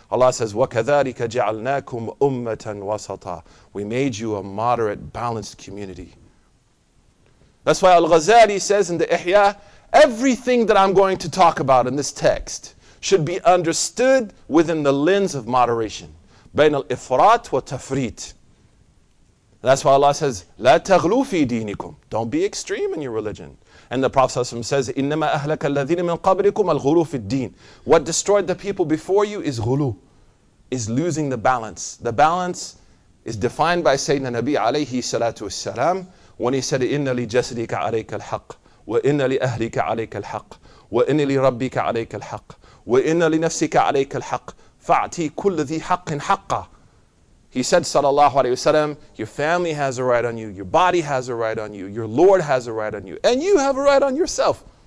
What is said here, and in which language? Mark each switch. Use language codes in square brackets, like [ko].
[en] Allah says, [ar] وَكَذَلِكَ جَعَلْنَاكُمْ أُمَّةً وَسَطًا. [en] We made you a moderate, balanced community. That's why Al-Ghazali says in the Ihya, everything that I'm going to talk about in this text should be understood within the lens of moderation. [ar] بين الإفراط والتفريط. [en] That's why Allah says, [ar] لا تغلو في دينكم. [en] Don't be extreme in your religion. And the Prophet ﷺ says, [ar] إنما أهلك الذين من قبلكم الغلو في الدين. [en] What destroyed the people before you is غلو, is losing the balance. The balance is defined by Sayyidina Nabi alayhi salatu wasalam when he said, [ar] إن لجسدك عليك الحق وإن لأهلك عليك الحق وإن لربك عليك الحق وَإِنَّ لِنَفْسِكَ عَلَيْكَ الْحَقِّ فَعْتِي كُلَّ ذِي حَقٍ حَقًّا. [en] He said, sallallahu alayhi wa sallam, your family has a right on you, your body has a right on you, your Lord has a right on you, and you have a right on yourself.